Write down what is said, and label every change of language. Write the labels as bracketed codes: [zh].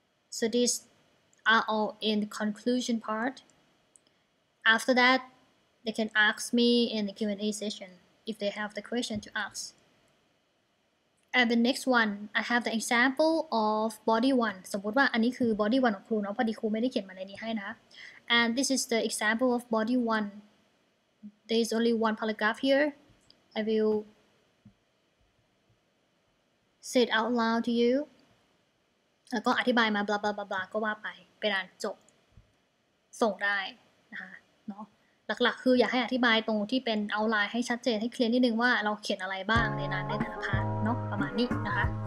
[en] So these are all in the conclusion part. After that, they can ask me in the Q&A session if they have the question to ask. And the next one, I have the example of body one. [th] สมมติว่าอันนี้คือ body one ของครูเนาะพอดีครูไม่ได้เขียนมาในนี้ให้นะ [en] And this is the example of body one. There is only one paragraph here. I will say it out loud to you. [th] แล้วก็อธิบายมาบลาบลาบลาบลาก็ว่าไปเป็นอันจบส่งได้นะคะเนาะหลักๆคืออยากให้อธิบายตรงที่เป็นเอาท์ไลน์ให้ชัดเจนให้เคลียร์นิดนึงว่าเราเขียนอะไรบ้างในนั้นในแต่ละพาร์ทเนาะประมาณนี้นะคะ